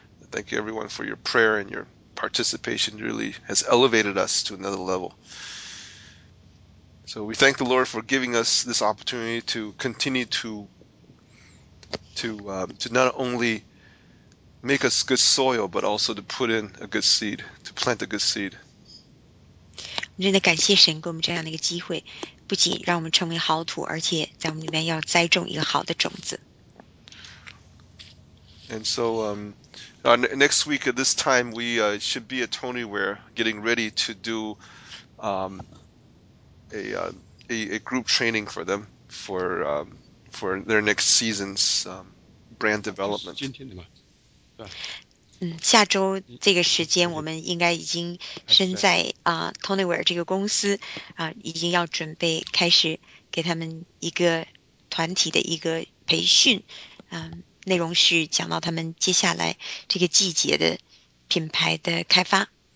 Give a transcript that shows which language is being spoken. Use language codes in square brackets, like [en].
[en] Thank you everyone for your prayer and your participation. Really has elevated us to another level. So we thank the Lord for giving us this opportunity to continue to not only make us good soil, but also to put in a good seed, to plant a good seed. [zh] 真的感谢神给我们这样的一个机会，不仅让我们成为好土，而且在我们里面要栽种一个好的种子。 [en] And so, next week at this time, we should be at Tony Ware getting ready to do, a group training for them for their next season's brand development. [zh] 今天的嘛，对。下周这个时间我们应该已经身在Tony Ware这个公司已经要准备开始给他们一个团体的一个培训，内容是讲到他们接下来这个季节的品牌的开发。